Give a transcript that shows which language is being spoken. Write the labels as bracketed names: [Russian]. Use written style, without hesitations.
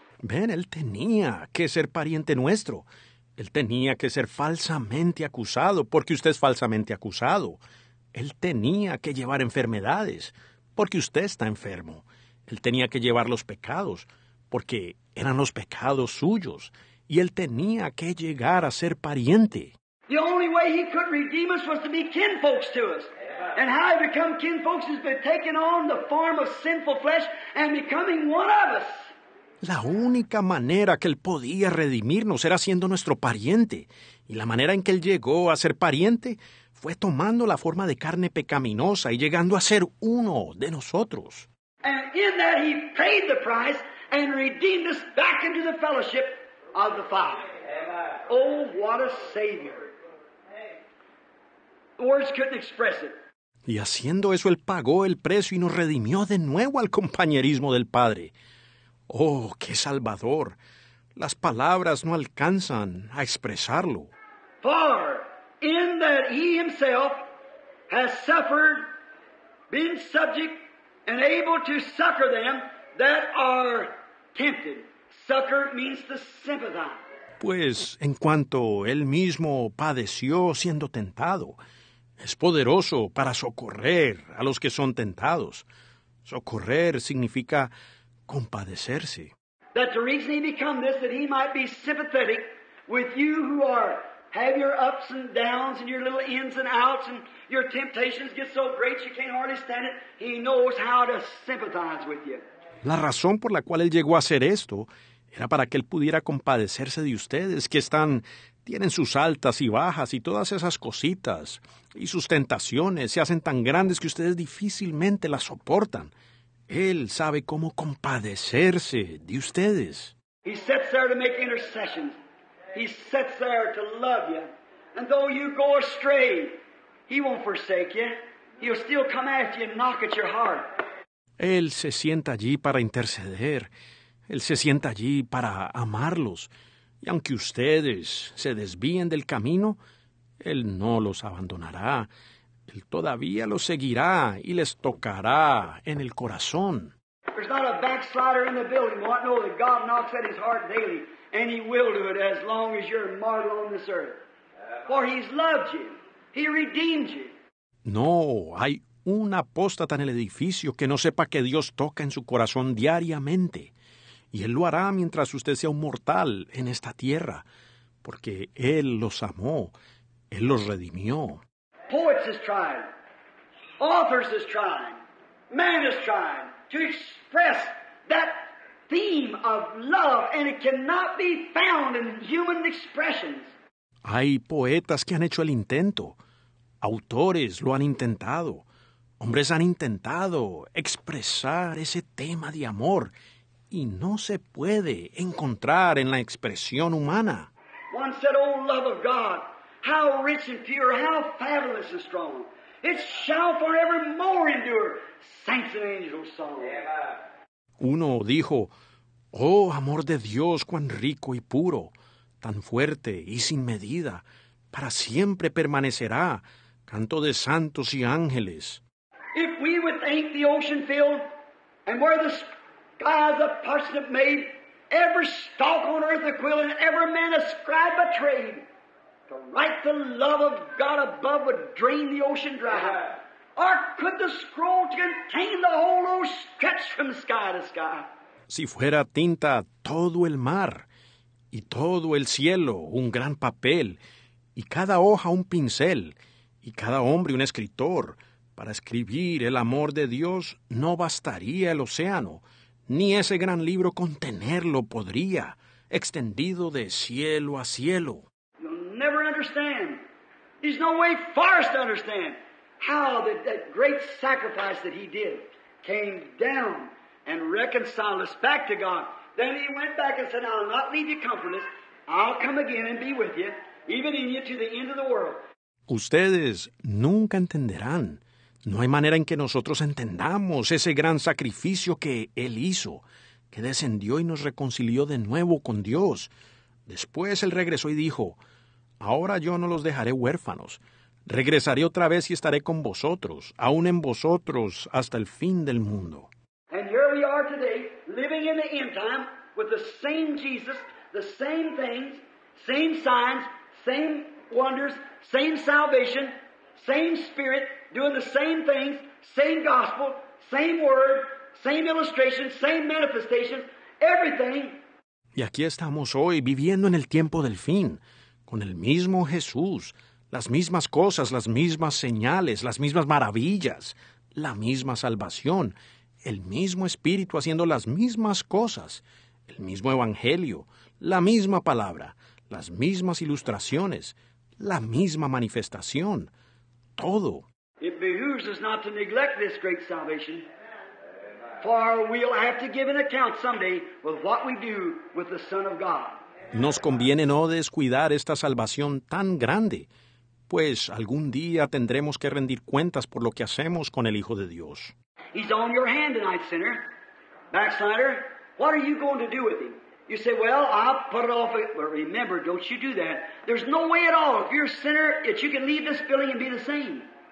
[Spanish] Ven, él tenía que ser pariente nuestro. Él tenía que ser falsamente acusado porque usted es falsamente acusado. Él tenía que llevar enfermedades porque usted está enfermo. Él tenía que llevar los pecados porque eran los pecados suyos. Y él tenía que llegar a ser pariente. [English] The only way he could redeem us was to be kinfolks to us. And how he become kinfolks is by taking on the form of sinful flesh and becoming one of us. [Spanish] La única manera que él podía redimirnos era siendo nuestro pariente. Y la manera en que él llegó a ser pariente fue tomando la forma de carne pecaminosa y llegando a ser uno de nosotros. [English] And in that he paid the price and redeemed us back into the fellowship of the Father. Oh, what a Savior. Words couldn't express it. [Spanish] Y haciendo eso, Él pagó el precio y nos redimió de nuevo al compañerismo del Padre. ¡Oh, qué salvador! Las palabras no alcanzan a expresarlo. [English] For in that he himself has suffered, been subject, and able to succor them that are tempted. Succor means to sympathize. [Spanish] Pues en cuanto Él mismo padeció siendo tentado, es poderoso para socorrer a los que son tentados. Socorrer significa compadecerse. [English] That the reason he became this, that he might be sympathetic with you who are, have your ups and downs and your little ins and outs and your temptations get so great you can't hardly stand it. He knows how to sympathize with you. [Spanish] La razón por la cual Él llegó a hacer esto era para que Él pudiera compadecerse de ustedes que están, tienen sus altas y bajas y todas esas cositas y sus tentaciones se hacen tan grandes que ustedes difícilmente las soportan. Él sabe cómo compadecerse de ustedes. [English] He sits there to make intercessions. He sits there to love you. And though you go astray, he won't forsake you. He'll still come after you and knock at your heart. [Spanish] Él se sienta allí para interceder. Él se sienta allí para amarlos. Y aunque ustedes se desvíen del camino, Él no los abandonará. Él todavía los seguirá y les tocará en el corazón. [English] There's not a backslider in the building. What? No, that God knocks at his heart daily, and he will do it as long as you're mortal on this earth. For he's loved you. He redeemed you. [Spanish] No, hay un apóstata en el edificio que no sepa que Dios toca en su corazón diariamente. Y Él lo hará mientras usted sea un mortal en esta tierra, porque Él los amó, Él los redimió. [English] Poets has tried, authors has tried, man has tried to express that theme of love, and it cannot be found in human expressions. [Spanish] Hay poetas que han hecho el intento, autores lo han intentado, hombres han intentado expresar ese tema de amor, y no se puede encontrar en la expresión humana. [English] One said, oh, love of God, how rich and pure, how fabulous and strong. It shall forevermore endure, saints and angels' song. [Spanish] Uno dijo, oh, amor de Dios, cuán rico y puro, tan fuerte y sin medida, para siempre permanecerá, canto de santos y ángeles. [English] If we would thank the ocean field and where the God the parsnip made, every stalk on earth a quill, and every man a scribe a trade. To write the love of God above would drain the ocean dry. Or could the scroll contain the whole ocean stretch from sky to sky? [Spanish] Si fuera tinta todo el mar, y todo el cielo un gran papel, y cada hoja un pincel, y cada hombre un escritor, para escribir el amor de Dios no bastaría el océano. Ni ese gran libro contenerlo podría, extendido de cielo a cielo. [English] You'll never understand. There's no way for us to understand how that great sacrifice that he did came down and reconciled us back to God. Then he went back and said, I'll not leave you comfortless. I'll come again and be with you, even in you to the end of the world. [Spanish] Ustedes nunca entenderán. No hay manera en que nosotros entendamos ese gran sacrificio que Él hizo, que descendió y nos reconcilió de nuevo con Dios. Después Él regresó y dijo, ahora yo no los dejaré huérfanos. Regresaré otra vez y estaré con vosotros, aún en vosotros, hasta el fin del mundo. [English] And here we are today, living in the end time, with the same Jesus, the same things, same signs, same wonders, same salvation, same spirit, doing the same things, same gospel, same word, same illustration, same manifestation, everything. [Spanish] Y aquí estamos hoy viviendo en el tiempo del fin, con el mismo Jesús, las mismas cosas, las mismas señales, las mismas maravillas, la misma salvación, el mismo Espíritu haciendo las mismas cosas, el mismo Evangelio, la misma palabra, las mismas ilustraciones, la misma manifestación, todo. [English] It behooves us not to neglect this great salvation, for we'll have to give an account someday of what we do with the Son of God. [Spanish] Nos conviene no descuidar esta salvación tan grande, pues algún día tendremos que rendir cuentas por lo que hacemos con el Hijo de Dios. [English] He's on your hand tonight, sinner. Backslider, what are you going to do with him? You say, well, I'll put it off. Well, remember, don't you do that. There's no way at all, if you're a sinner, that you can leave this building and be the same.